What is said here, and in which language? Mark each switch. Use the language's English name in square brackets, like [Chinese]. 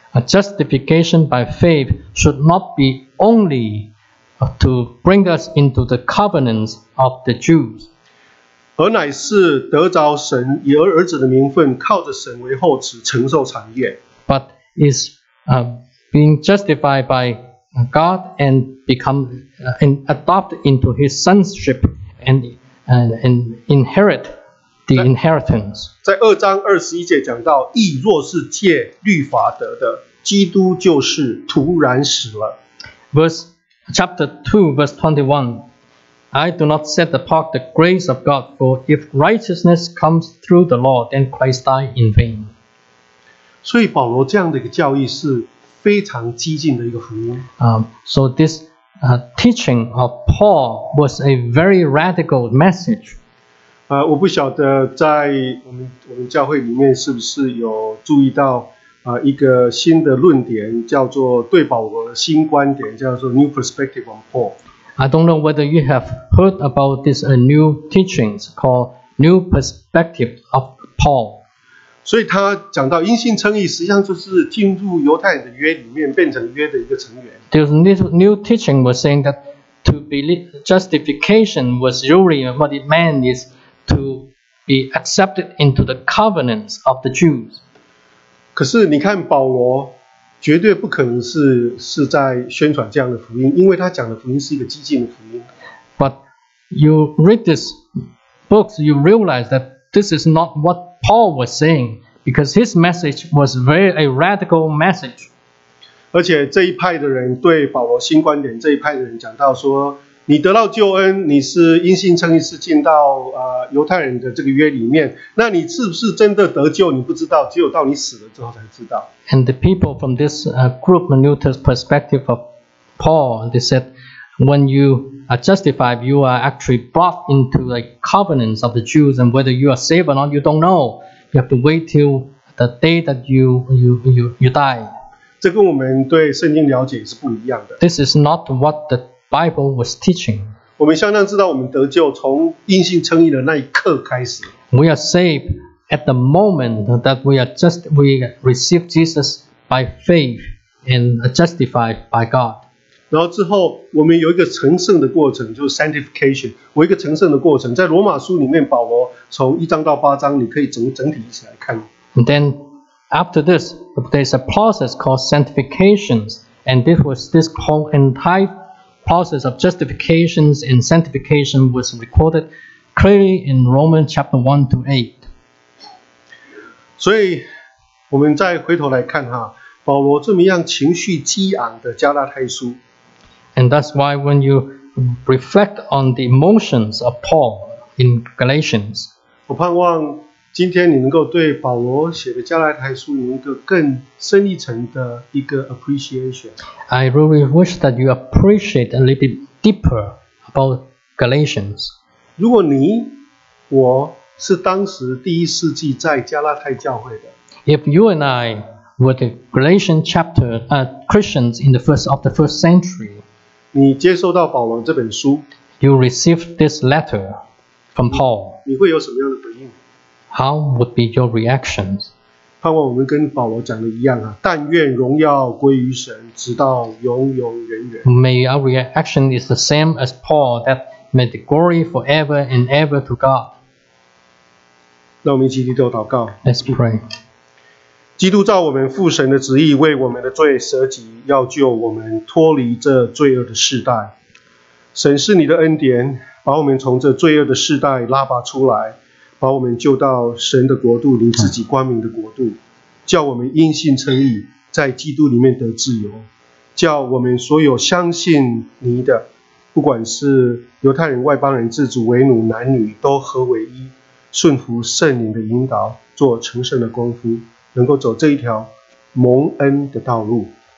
[English] A justification by faith should not be only to bring us into the covenants of the Jews. [Chinese] 而乃是得着神以儿子的名分，靠着神为后嗣承受产业。 [English] But is being justified byGod and become and adopt into his sonship and inherit the inheritance. [Chinese] 在二章二十一节讲到，义若是借律法得的，基督就是徒然死了。 [English] Chapter 2, verse 21. I do not set apart the grace of God, for if righteousness comes through the law, then Christ died in vain. [Chinese] 所以保罗这样的一个教义是非常激进的一个福音。 [English] So this teaching of Paul was a very radical message. [Chinese] 我不晓得在我们教会里面是不是有注意到一个新的论点，叫做对保罗的新观点，叫做 New Perspective on Paul. [English] I don't know whether you have heard about this new teaching called New Perspective of Paul. [Chinese] 所以他讲到因信称义，实际上就是进入犹太人的约里面，变成约的一个成员。 [English] This new teaching was saying that to believe justification was really what it meant is to be accepted into the covenants of the Jews. [Chinese] 可是你看保罗绝对不可能是在宣传这样的福音，因为他讲的福音是一个激进的福音。 [English] But you read this book, you realize that this is not what Paul was saying, because his message was a radical message. [Chinese] 而且这一派的人对保罗新观点，这一派的人讲到说，你得到救恩，你是因信称义，是进到犹太人的这个约里面，那你是不是真的得救？你不知道，只有到你死了之后才知道。 [English] And the people from this group, Luther's perspective of Paul, they said, when you are justified, you are actually brought into the covenants of the Jews, and whether you are saved or not, you don't know. You have to wait till the day that you die. [Chinese] 这跟我们对圣经了解是不一样的。 [English] This is not what the Bible was teaching. [Chinese] 我们相当知道我们得救从因信称义的那一刻开始。 [English] We are saved at the moment that we receive Jesus by faith and are justified by God. [Chinese] 然后之后我们有一个成圣的过程，就是 sanctification。我一个成圣的过程，在罗马书里面保罗从一章到八章你可以整体一起来看。 [English] And then after this there's a process called sanctification, and this whole entire process of justification and sanctification was recorded clearly in Romans chapter 1-8. [Chinese] 所以我们再回头来看哈，保罗这么样情绪激昂的加拉太书。 [English] And that's why when you reflect on the emotions of Paul in Galatians. [Chinese] 我盼望今天你能够对保罗写的加拉太书有一个更深一层的一个 appreciation. [English] I really wish that you appreciate a little bit deeper about Galatians. [Chinese] 如果你我是当时第一世纪在加拉太教会的。 [English] If you and I were the Galatian chapter, Christians in the first century, [Chinese] 你接受到保罗这本书, [English] you received this letter from Paul. [Chinese] 你会有什么样的回应? [English] How would be your reactions? [Chinese] 盼望我们跟保罗讲的一样啊，但愿荣耀归于神，直到永永远远。 [English] May our reaction is the same as Paul, that may the glory forever and ever to God. [Chinese] 那我们一起低头祷告。 [English] Let's pray. [Chinese] 基督照我们父神的旨意为我们的罪舍己，要救我们脱离这罪恶的世代。神是你的恩典，把我们从这罪恶的世代拉拔出来，把我们救到神的国度，你自己光明的国度，叫我们因信称义，在基督里面得自由，叫我们所有相信你的，不管是犹太人、外邦人、自主为奴、男女，都合为一，顺服圣灵的引导，做成圣的功夫，能够走这一条蒙恩的道路。